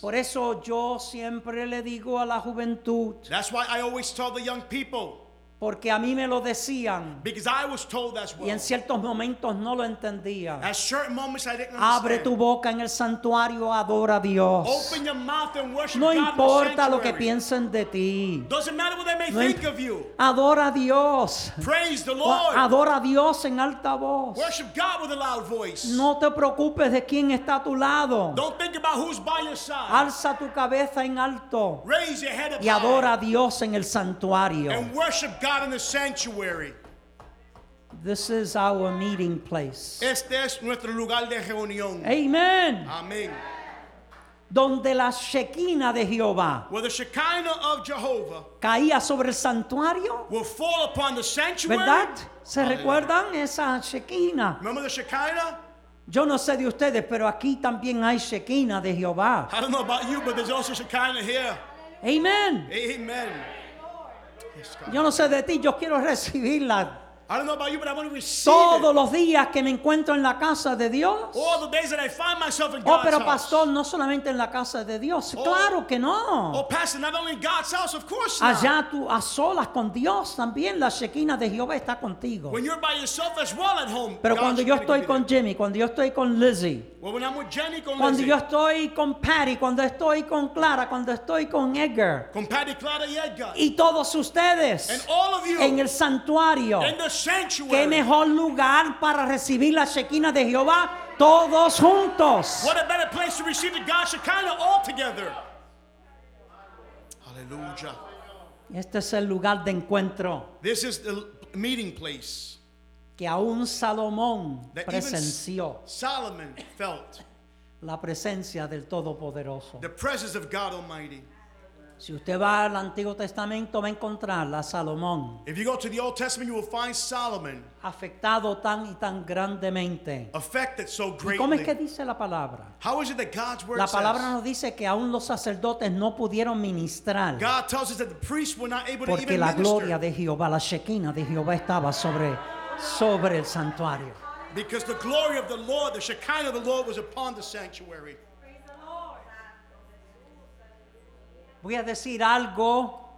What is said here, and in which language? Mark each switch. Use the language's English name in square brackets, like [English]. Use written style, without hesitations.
[Spanish] Por eso yo siempre le digo a la juventud. [English] That's why I always tell the young people. [Spanish] Porque a mí me lo decían. [English] Because I was told as well. [Spanish] Y en ciertos momentos no lo entendía. [English] At certain moments I didn't understand. [Spanish] Abre tu boca en el santuario, adora a Dios. [English] Open your mouth and worship [Spanish] no importa lo que piensen de ti. [English] Doesn't matter what they may think of you. [Spanish] Adora a Dios. [English] Praise the Lord. [Spanish] Adora a Dios en alta voz. [English] Worship God with a loud voice. [Spanish] No te preocupes de quién está a tu lado. [English] Don't think about who's by your side. [Spanish] Alza tu cabeza en alto. [English] Raise your head up [Spanish] y adora a Dios en el santuario. [English] And worship God in the sanctuary. This is our meeting place. [Spanish] Este es nuestro lugar de reunión. Amen. Amen. Donde la Shekinah de Jehová. [English] Where the Shekinah of Jehovah. [Spanish] Caía sobre el santuario. [English] Will fall upon the sanctuary. [Spanish] ¿Verdad? ¿Se recuerdan esa Shekinah? [English] Remember the Shekinah? [Spanish] Yo no sé de ustedes, pero aquí también hay Shekinah de Jehová. [English] I don't know about you, but there's also Shekinah here. Amen. Amen. [Spanish] Yo no sé de ti, yo quiero recibirla. [English] I don't know about you, but I want to receive [Spanish] todos los días que me encuentro en la casa de Dios. [English] All the days that I find myself in God's house. [Spanish] Pero pastor, [English] house. [Spanish] No solamente en la casa de Dios. Oh, claro que no. [English] Oh, pastor, not only in God's house, of course not. [Spanish] Allá tú a solas con Dios también la Shekinah de Jehová está contigo. [English] When you're by yourself as well at home. [Spanish] Pero God's cuando yo estoy con Jimmy, cuando yo estoy con Lizzie. [English] Well, when I'm with Jenny, con [Spanish] cuando Lizzie. Yo estoy con Patty, cuando estoy con Clara, cuando estoy con Edgar. Con Patty, Clara y Edgar. Y todos ustedes. [English] And all of you. [Spanish] En el santuario. ¿Qué mejor lugar para recibir la Shekinah de Jehová todos juntos? [English] What a better place to receive the God's Shekinah all together. Hallelujah. [Spanish] Este es el lugar de encuentro. [English] This is the meeting place. [Spanish] Que aún Salomón presenció. [English] Solomon felt [Spanish] la presencia del Todopoderoso. [English] The presence of God Almighty. [Spanish] Si usted va al Antiguo Testamento va a encontrar a Salomón. [English] If you go to the Old Testament you will find Solomon. [Spanish] Afectado tan y tan grandemente. [English] Affected so greatly. [Spanish] ¿Y cómo es que dice la palabra? [English] How is it that God's word [Spanish] says? La palabra [English] says, [Spanish] nos dice que aún los sacerdotes no pudieron ministrar. [English] God tells us that the priests were not able to even minister. [Spanish] Porque la gloria de Jehová, la Shekinah de Jehová estaba sobre el santuario. [English] Because the glory of the Lord, the Shekinah of the Lord was upon the sanctuary. [Spanish] Voy a decir algo.